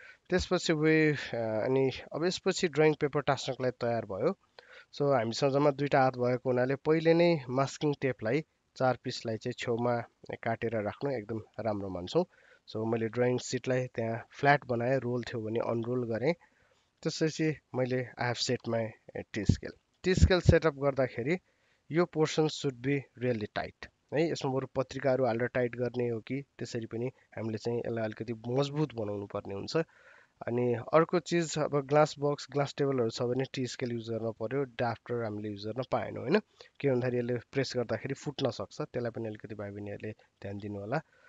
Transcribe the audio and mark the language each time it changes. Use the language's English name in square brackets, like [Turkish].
[Nepali] त्यसपछि अनि अब यसपछि ड्रइङ पेपर टाँच्नको लागि तयार भयो. सो हामीसँग जम्मा दुईवटा हात भएको हुनाले पहिले नै मास्किङ टेपलाई चार पिसलाई चाहिँ छेउमा काटेर राख्नु एकदम राम्रो मान्छौँ. सो मैले ड्रइङ सिटलाई त्यहाँ फ्ल्याट बनाएँ, रोल थियो भने अनरोल गरेँ. त्यसपछि मैले [English] I have set my T scale. [Nepali] T scale setup गर्दाखेरि यो portion [English] should be really tight [Nepali] है. यसमा बरु पत्रिकाहरू हालेर टाइट गर्ने हो कि त्यसरी पनि हामीले चाहिँ यसलाई अलिकति मजबुत बनाउनु पर्ने हुन्छ. अनि अर्को चिज अब ग्लास बक्स ग्लास टेबलहरू छ भने टी स्केल युज गर्न पऱ्यो, ड्राफ्टर हामीले युज गर्न पाएनौँ होइन. के भन्दाखेरि यसले प्रेस गर्दाखेरि फुट्न सक्छ, त्यसलाई पनि अलिकति भाइ बहिनीहरूले ध्यान दिनुहोला.